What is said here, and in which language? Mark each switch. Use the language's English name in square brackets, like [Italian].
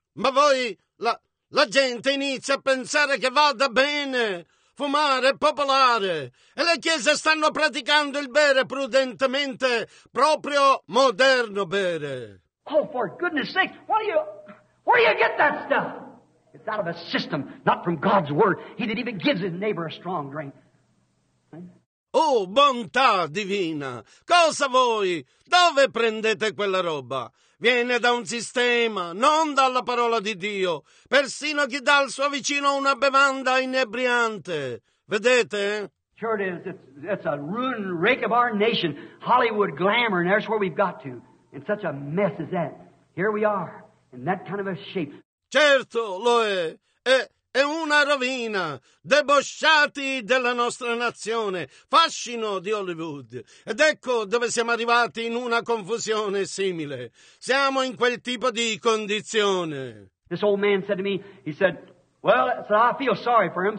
[Italian] Ma voi, la gente inizia a pensare che vada bene fumare popolare. E le chiese stanno praticando il bere prudentemente, proprio moderno bere. [English] Oh, for goodness sake, where do you get that stuff? It's out of a system, not from God's word. He that even gives his neighbor a strong drink. [Italian] Oh, bontà divina! Cosa voi? Dove prendete quella roba? Viene da un sistema, non dalla parola di Dio. Persino chi dà al suo vicino una bevanda inebriante. Vedete? [English] Sure it is. It's a ruined rake of our nation. Hollywood glamour, and that's where we've got to. In such a mess as that. Here we are, in that kind of a shape. [Italian] Certo, lo è. È una rovina. Debosciati della nostra nazione. Fascino di Hollywood. Ed ecco dove siamo arrivati in una confusione simile. Siamo in quel tipo di condizione. [English] This old man said to me, he said, well, so I feel sorry for him.